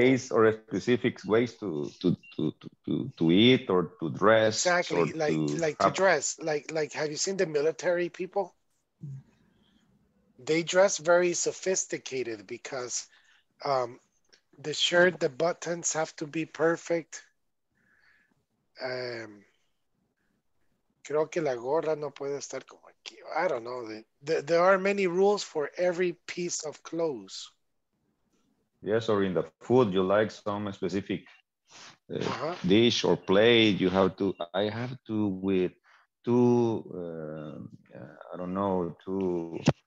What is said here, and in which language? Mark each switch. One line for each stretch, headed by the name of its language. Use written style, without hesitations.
English: Days or specific ways to eat or to dress. Exactly, or to dress. Like have you seen the military people? They dress very sophisticated because the shirt, the buttons have to be perfect.
Spanish: Creo que la gorra no puede estar como aquí.
English: I don't know. There are many rules for every piece of clothes. Yes, or in the food, you like some specific dish or plate. I have to with two, I don't know, two...